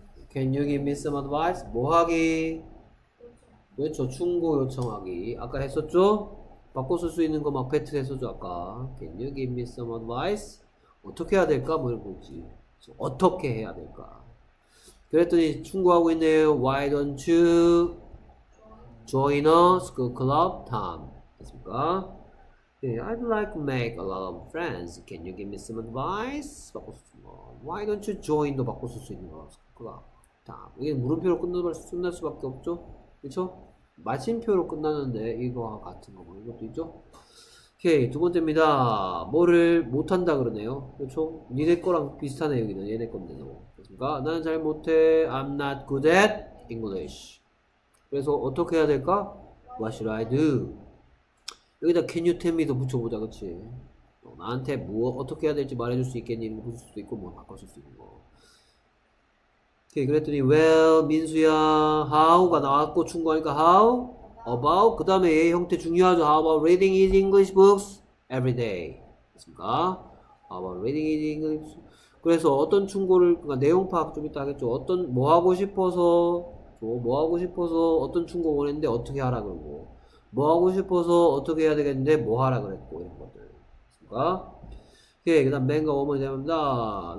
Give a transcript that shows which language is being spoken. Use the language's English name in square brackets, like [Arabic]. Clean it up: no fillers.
[English] Can you give me some advice? [Korean] 뭐 하기? 그렇죠. 충고 요청하기. 아까 했었죠? 바꿔 쓸 수 있는 거 막 패트 했었죠, 아까. [English] Can you give me some advice? [Korean] 어떻게 해야 될까? 뭐 해보지. 어떻게 해야 될까? 그랬더니 충고하고 있네요. [English] Why don't you join a school club, Tom? [Korean] 됐습니까? [English] I'd like to make a lot of friends. Can you give me some advice? [Korean] 바꿔 쓸 수 있는 거. [English] Why don't you join도 [Korean] 바꿔 쓸 수 있는 거. 다음. 이게 물음표로 끝날 수밖에 없죠. 그쵸? 마침표로 끝나는데 이거와 같은 거 뭐 이것도 있죠? 오케이. 두 번째입니다. 뭐를 못한다 그러네요. 그쵸? 니네 거랑 비슷하네 여기는. 얘네 건데. 그니까 나는 잘 못해. [English] I'm not good at English. [Korean] 그래서 어떻게 해야 될까? [English] What should I do? [Korean] 여기다 [English] can you tell me도 [Korean] 붙여보자, 그치? 나한테 뭐, 어떻게 해야 될지 말해줄 수 있겠니? 이런 거 붙일 수도 있고, 뭐, 바꿔줄 수 있는 거. 오케이, 그랬더니, well, 민수야, how가 나왔고, 충고하니까, how? about? 그 다음에 얘 형태 중요하죠. [English] How about reading his English books every day? [Korean] 됐습니까? [English] How about reading his English books? [Korean] 그래서 어떤 충고를, 그니까 내용 파악 좀 이따 하겠죠. 어떤, 뭐 하고 싶어서, 뭐 하고 싶어서 어떤 충고 원했는데 어떻게 하라 그러고. 뭐 하고 싶어서 어떻게 해야 되겠는데 뭐 하라 그랬고 이런 것들 그니까 오케이 그 다음 맨과 워머이 됩니다.